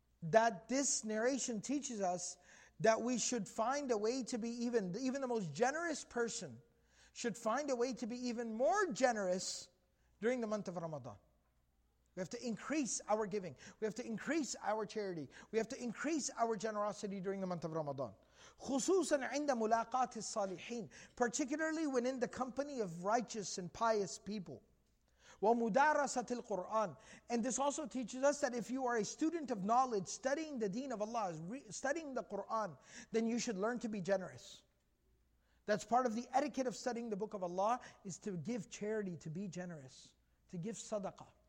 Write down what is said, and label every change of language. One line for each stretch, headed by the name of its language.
English: That this narration teaches us that we should find a way to be even the most generous person should find a way to be even more generous during the month of Ramadan. We have to increase our giving. We have to increase our charity. We have to increase our generosity during the month of Ramadan.
Arabic: خصوصاً عند ملاقات الصالحين.
English: Particularly when in the company of righteous and pious people.
Arabic: ومدارسة القرآن.
English: And this also teaches us that if you are a student of knowledge, studying the deen of Allah, studying the Qur'an, then you should learn to be generous. That's part of the etiquette of studying the book of Allah, is to give charity, to be generous, to give sadaqah.